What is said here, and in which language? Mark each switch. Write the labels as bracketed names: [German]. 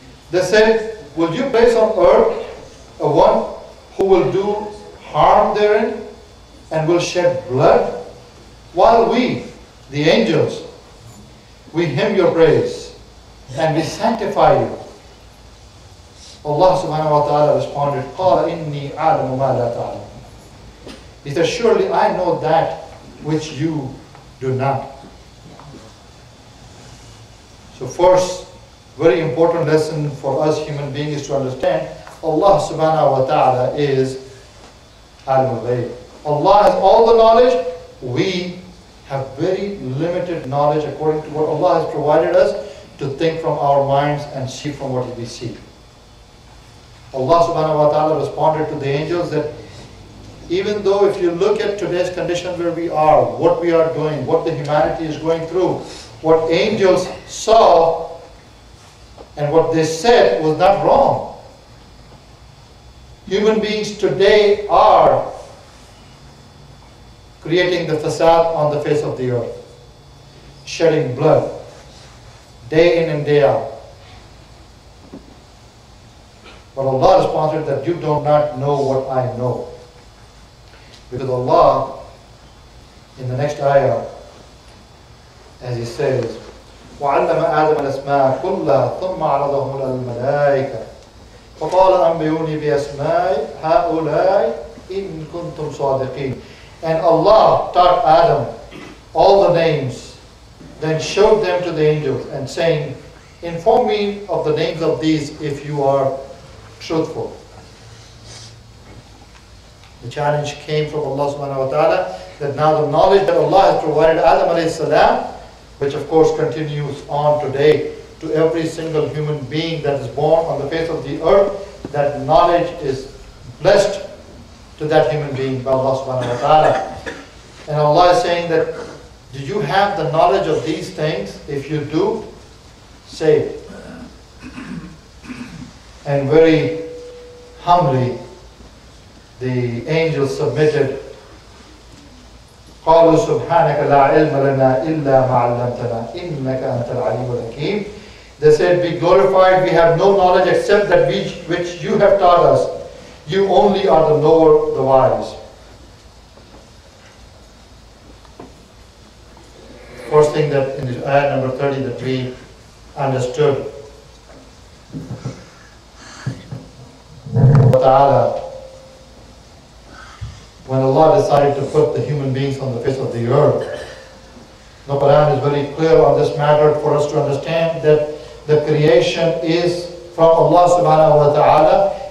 [English] They said, will you place on earth a one who will do harm therein and will shed blood? While we, the angels, we hymn your praise and we sanctify you. Allah subhanahu wa ta'ala responded, [Arabic] قَالَ إِنِّي عَلَمُ مَا لَا تَعْلَمُ. [English] He said, surely I know that which you do not. So first, very important lesson for us human beings is to understand Allah subhanahu wa ta'ala is al-Ghayb. Allah has all the knowledge. We have very limited knowledge according to what Allah has provided us to think from our minds and see from what we see. Allah subhanahu wa ta'ala responded to the angels that even though if you look at today's condition where we are, what we are doing, what the humanity is going through, what angels saw and what they said was not wrong. Human beings today are creating the facade on the face of the earth, shedding blood day in and day out. But Allah responded that you do not know what I know. Because Allah, in the next ayah, as He says, [Arabic] وَعَلَّمَ آدَمَ الْأَسْمَاءَ كُلَّهَا ثُمَّ عَرَضَهُمْ عَلَى الْمَلَائِكَةِ فَقَالَ أَنْبِئُونِي بِأَسْمَاءِ هَؤُلَاءِ إِن كُنْتُمْ صَادِقِينَ. [English] And Allah taught Adam all the names, then showed them to the angels and saying, inform me of the names of these if you are truthful. The challenge came from Allah subhanahu wa ta'ala that now the knowledge that Allah has provided Adam alayhi salam, which of course continues on today to every single human being that is born on the face of the earth, that knowledge is blessed to that human being by Allah subhanahu wa ta'ala. And Allah is saying that, do you have the knowledge of these things? If you do, say it. And very humbly, the angels submitted, [Arabic] قَالُوا سُبْحَانَكَ لَا عِلْمَ لَنَا إِلَّا مَا عَلَّمْتَنَا إِنَّكَ أَنْتَ الْعَلِيمُ الْحَكِيمُ. [English] They said, be glorified, we have no knowledge except that which you have taught us. You only are the knower, the wise. First thing that in this ayah number 30 that we understood, Ta'ala, when Allah decided to put the human beings on the face of the earth, the Quran is very clear on this matter for us to understand that the creation is from Allah subhanahu wa ta'ala.